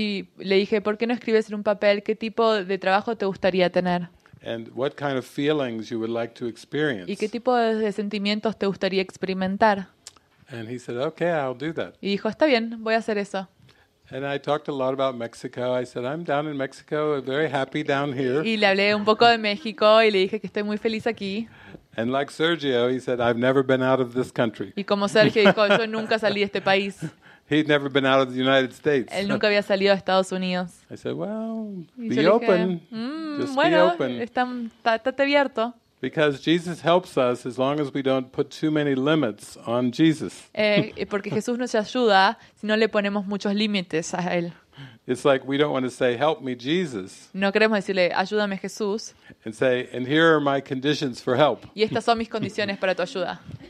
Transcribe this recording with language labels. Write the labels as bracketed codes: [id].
[es] Y le dije, ¿por qué no escribes en un papel qué tipo de trabajo te gustaría tener? [en] And what kind of feelings you would like to experience? [es] Y qué tipo de sentimientos te gustaría experimentar? [en] And he said, okay, I'll do that. [es] Y dijo, está bien, voy a hacer eso. [en] And I talked a lot about Mexico. I said, I'm down in Mexico, very happy down here. [es] Y le hablé un poco de México y le dije que estoy muy feliz aquí. [en] And like Sergio, he said, I've never been out of this country. [es] Y como Sergio dijo, yo nunca salí de este país. [en] He'd never been out of the United States. [es] Él nunca había salido de Estados Unidos. [en] I said, well, be open. [es] Bueno, está abierto. [en] Because Jesus helps us as long as we don't put too many limits on Jesus. [es] Porque Jesús nos ayuda si no le ponemos muchos límites a él. [en] It's like we don't want to say, "Help me, Jesus." [es] No queremos decirle, "Ayúdame, Jesús." [en] And say, "And here are my conditions for help." [es] Y estas son mis condiciones para tu ayuda.